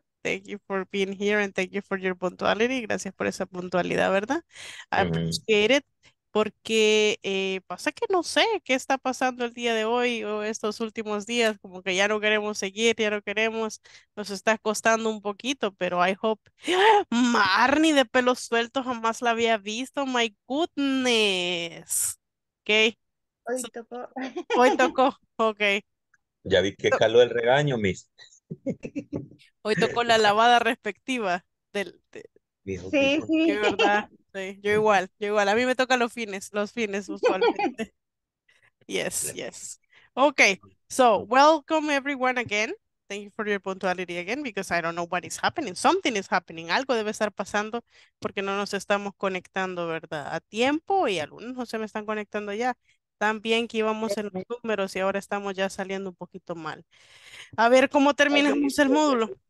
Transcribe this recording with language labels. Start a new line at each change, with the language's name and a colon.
English: Thank you for being here and thank you for your punctuality.
Spanish: Gracias por esa puntualidad, ¿verdad?
English: I appreciate it.
Spanish: Porque pasa que no sé qué está pasando el día de hoy o estos últimos días, como que ya no queremos seguir, ya no queremos, nos está costando un poquito, pero
English: I hope.
Spanish: Marnie de pelo suelto jamás la había visto,
English: my goodness. Okay.
Spanish: Hoy tocó. Hoy tocó, okay. Ya vi que caló el regaño, mis. Hoy tocó la lavada respectiva del. Dijo que Sí, con sí. qué verdad. Sí, yo igual, yo igual. A mí me toca los fines usualmente.
English: Yes. Okay, so welcome everyone again. Thank you for your punctuality again because I don't know what is happening. Something is happening.
Spanish: Algo debe estar pasando porque no nos estamos conectando, ¿verdad? A tiempo y algunos no se me están conectando ya. También que íbamos en los números y ahora estamos ya saliendo un poquito mal. A ver cómo terminamos el módulo.